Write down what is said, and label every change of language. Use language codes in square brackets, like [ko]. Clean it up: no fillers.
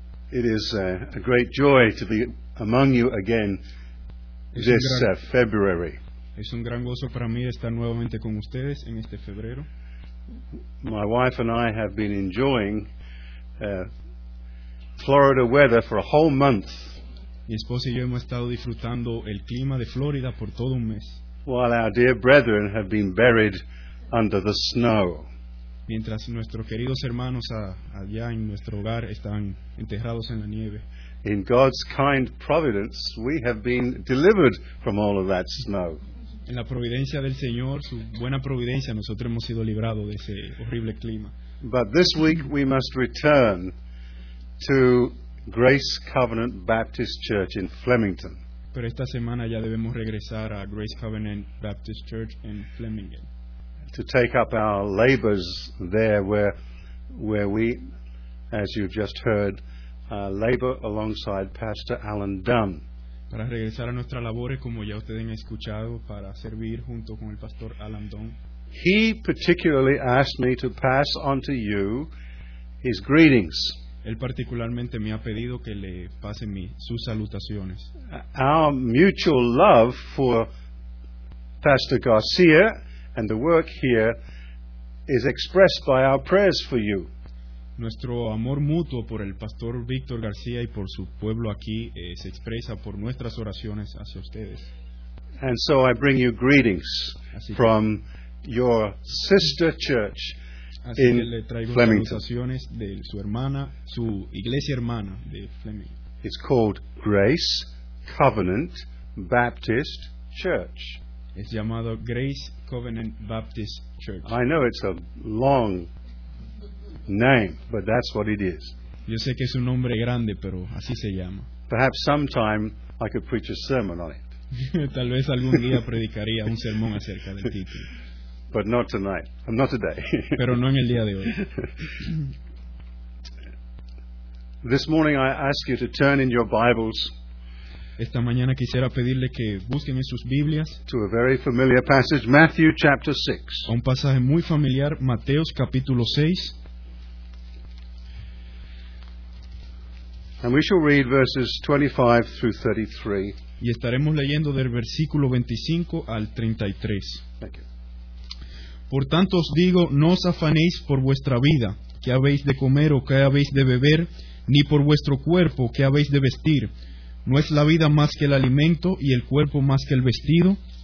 [en] It is a great joy to be among you again this February. [es] Es un gran gozo para mí estar nuevamente con ustedes en este febrero. [en] My wife and I have been enjoying Florida weather for a whole month. [es] Mi esposa y yo hemos estado disfrutando el clima de Florida por todo un mes. [en] While our dear brethren have been buried under the snow. [es] Mientras nuestros queridos hermanos allá en nuestro hogar están enterrados en la nieve. [en] In God's kind providence, we have been delivered from all of that snow. [es] En la providencia del Señor, su buena providencia, nosotros hemos sido librados de ese horrible clima. [en] But this week we must return to Grace Covenant Baptist Church in Flemington. [es] Pero esta semana ya debemos regresar a Grace Covenant Baptist Church in Flemington. [en] To take up our labors there where we, as you've just heard, labor alongside Pastor Alan Dunn. [es] Para regresar a nuestras labores, como ya ustedes han escuchado, para servir junto con el pastor Alan Dunn. [en] He particularly asked me to pass on to you his greetings. [es] Él particularmente me ha pedido que le pase sus salutaciones. [en] Our mutual love for Pastor Garcia and the work here is expressed by our prayers for you. [es] Nuestro amor mutuo por el pastor Víctor García y por su pueblo aquí se expresa por nuestras oraciones hacia ustedes. [en] And so I bring you greetings from your sister church in Flemington. [es] Saludaciones de su hermana, su iglesia hermana de Flemington. [en] It's called Grace Covenant Baptist Church. [es] Es llamado Grace Covenant Baptist Church. [en] I know it's a long name, but that's what it is. [es] Yo sé que es un nombre grande, pero así se llama. [en] Perhaps sometime I could preach a sermon on it. [es] Tal vez algún día predicaría un sermón acerca del título. [en] But not tonight. Not today. [es] Pero no en el día de hoy. [en] This morning I ask you to turn in your Bibles. [es] Esta mañana quisiera pedirle que busquen en sus Biblias. [en] To a very familiar passage, Matthew chapter 6. [es] Un pasaje muy familiar, Mateos capítulo 6. [en] And we shall read verses 25 through 33. [es] Y estaremos leyendo del versículo 25 al 33. [en] Thank you. [es] Por tanto os digo, no os afanéis por vuestra vida, qué habéis de comer o qué habéis de beber, ni por vuestro cuerpo, qué habéis de vestir. ¿No es la vida más que el alimento y el cuerpo más que el vestido?